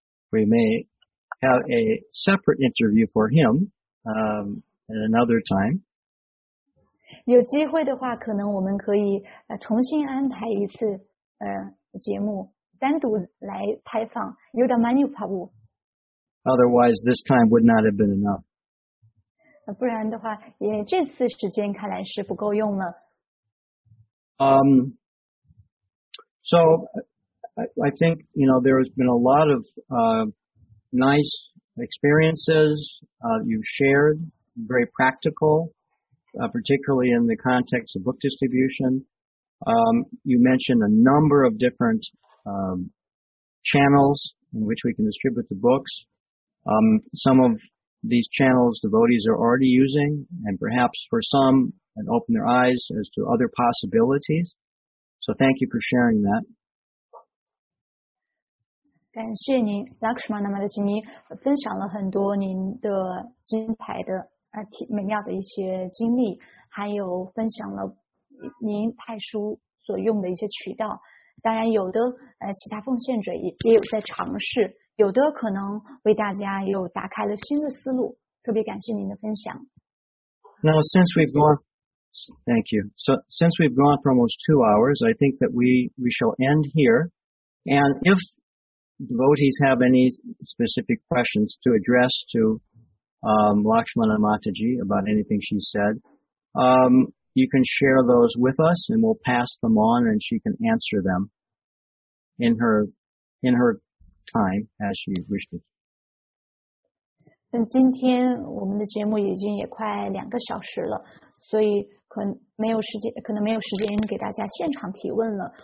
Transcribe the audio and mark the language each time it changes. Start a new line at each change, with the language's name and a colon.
English: We may have a separate interview for him at another time.
Chinese: 有机会的话，可能我们可以重新安排一次节目，单独来采访 Yuda Manu 帕布。
English: Otherwise, this time would not have been enough.
Chinese: 不然的话，也这次时间看来是不够用了。
English: So I think, you know, there has been a lot of nice experiences you've shared, very practical, particularly in the context of book distribution. You mentioned a number of different channels in which we can distribute the books. Some of these channels devotees are already using, and perhaps for some, and open their eyes as to other possibilities. So thank you for sharing that.
Chinese: 感谢您 Lakshmana Madhaji， 您分享了很多您的精彩的美妙的一些经历，还有分享了您派书所用的一些渠道。当然有的其他奉献者也有在尝试，有的可能为大家又打开了新的思路，特别感谢您的分享。
English: Now since we've gone... Thank you. So, since we've gone for almost 2 hours, I think that we shall end here. And if devotees have any specific questions to address to Lakshmana Mataji about anything she said, you can share those with us and we'll pass them on and she can answer them in her time as she wished it.
Chinese: 今天我们的节目已经也快两个小时了，所以可能没有时间给大家现场提问了。